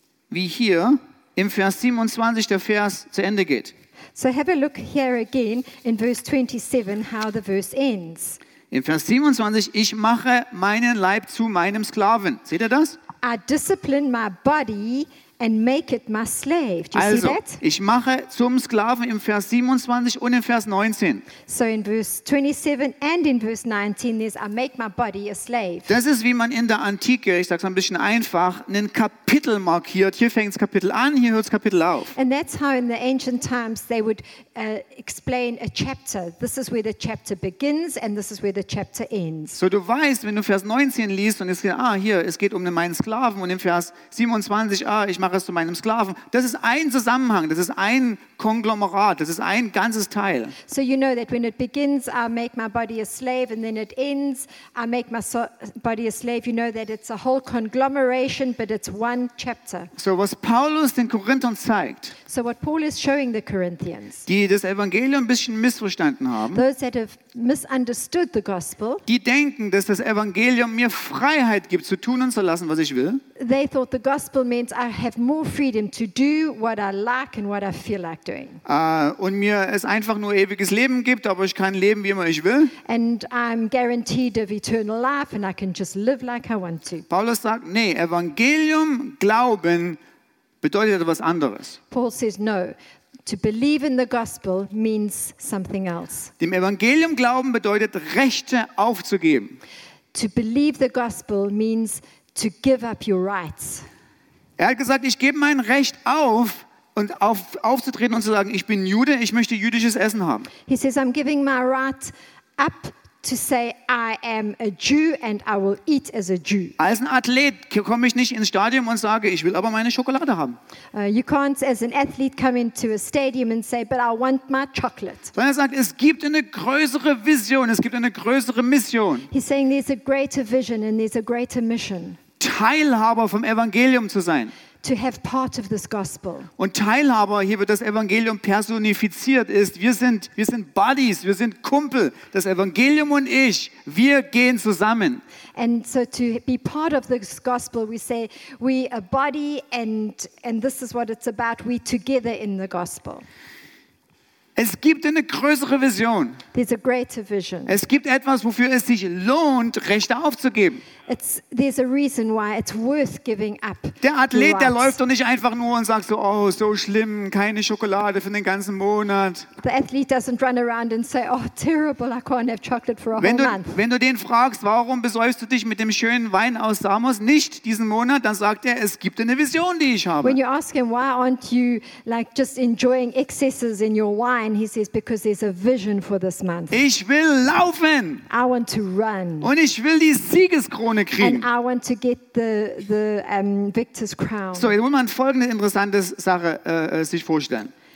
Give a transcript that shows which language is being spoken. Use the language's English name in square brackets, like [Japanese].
[German] Wie hier im Vers 27 der Vers zu Ende geht. [English] So have a look here again in verse 27, how the verse ends. [German] In Vers 27, ich mache meinen Leib zu meinem Sklaven. Seht ihr das? [English] I discipline my body and make it my slave. Do you [German] also, [English] see that? [German] Ich mache zum Sklaven im Vers 27 und im Vers 19. [English] So in verse 27 and in verse 19 there's I make my body a slave. [German] Das ist wie man in der Antike, ich sag's ein bisschen einfach, einen Kapitel markiert. Hier fängt's Kapitel an, hier hört's Kapitel auf. [English] And that's how in the ancient times they would explain a chapter. This is where the chapter begins and this is where the chapter ends. [German] So du weißt, wenn du Vers 19 liest und es geht um meinen Sklaven und im Vers 27, ich mache es zu meinem Sklaven. Das ist ein Zusammenhang, das ist ein Konglomerat, das ist ein ganzes Teil. [English] So you know that when it begins, I make my body a slave, and then it ends, I make my body a slave. You know that it's a whole conglomeration, but it's one chapter. [German] So was Paulus den Korinthern zeigt, [English] so what Paul is showing the Corinthians, [German] die das Evangelium ein bisschen missverstanden haben, [English] those that have misunderstood the gospel, [German] die denken, dass das Evangelium mir Freiheit gibt, zu tun und zu lassen, was ich will, [English] they thought the gospel meant I have more freedom to do what I like and what I feel like. [German] Und mir es einfach nur ewiges Leben gibt, aber ich kann leben, wie immer ich will. [English] And I'm guaranteed of eternal life and I can just live like I want to. [German] Paulus sagt, nee, Evangelium, Glauben bedeutet etwas anderes. [English] Paul says, no, to believe in the gospel means something else. [German] Dem Evangelium glauben bedeutet, Rechte aufzugeben. [English] To believe the gospel means to give up your rights. [German] Er hat gesagt, ich gebe mein Recht auf, und aufzutreten und zu sagen, ich bin Jude, ich möchte jüdisches Essen haben. [English] He says, I'm giving my right up to say I am a Jew and I will eat as a Jew. [German] Als ein Athlet komme ich nicht ins Stadion und sage, ich will aber meine Schokolade haben. [English] You can't as an athlete come into a stadium and say, but I want my chocolate. [German] Sondern er sagt, es gibt eine größere Vision, es gibt eine größere Mission. [English] He's saying there's a greater vision and there's a greater mission. [German] Teilhaber vom Evangelium zu sein. [English] To have part of this gospel. [German] Und Teilhaber, hier wird das Evangelium personifiziert, ist, wir sind Buddies, wir sind Kumpel. Das Evangelium und ich, wir gehen zusammen. [English] And so to be part of this gospel, we say, we a body and this is what it's about, we together in the gospel. [German] Es gibt eine größere Vision. [English] There's a greater vision. [German] Es gibt etwas, wofür es sich lohnt, Rechte aufzugeben. [English] There's a reason why it's worth giving up. [German] Der Athlet, right. Der läuft doch nicht einfach nur und sagt so, oh, so schlimm, keine Schokolade für den ganzen Monat. [English] The athlete doesn't run around and say, oh, terrible, I can't have chocolate for a whole month. [German] Wenn du den fragst, warum besäufst du dich mit dem schönen Wein aus Samos nicht diesen Monat, dann sagt er, es gibt eine Vision, die ich habe. [English] When you ask him, why aren't you like just enjoying excesses in your wine? line, he says, because there's a vision for this month. [German] Ich will laufen. [English] I want to run. [German] Und ich will die Siegeskrone kriegen. [English] And I want to get the victor's crown. [German] So, jetzt muss man folgende interessante Sache sich vorstellen.